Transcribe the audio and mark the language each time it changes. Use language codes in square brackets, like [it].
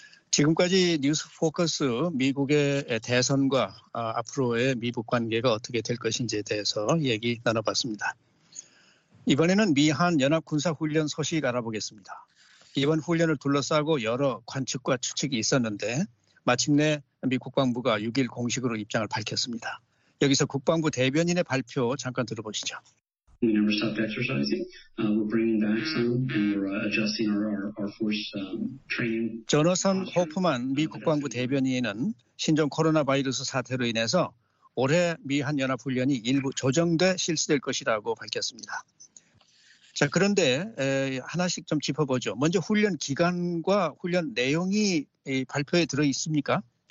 [ko] 지금까지 뉴스 포커스 미국의 대선과 앞으로의 미북 관계가 어떻게 될 것인지에 대해서 얘기 나눠봤습니다. 이번에는 미한 연합군사훈련 소식 알아보겠습니다. 이번 훈련을 둘러싸고 여러 관측과 추측이 있었는데 마침내 미 국방부가 6일 공식으로 입장을 밝혔습니다. 여기서 국방부 대변인의 발표 잠깐 들어보시죠. [en] We never stopped exercising. We're bringing back some, and we're adjusting our force training. [ko] 조너선 호프만 미 국방부 대변인은 신종 코로나 바이러스 사태로 인해서 올해 미한 연합 훈련이 일부 조정돼 실시될 것이라고 밝혔습니다. 자, 그런데 하나씩 좀 짚어보죠. 먼저 훈련 기간과 훈련 내용이 발표에 들어 있습니까?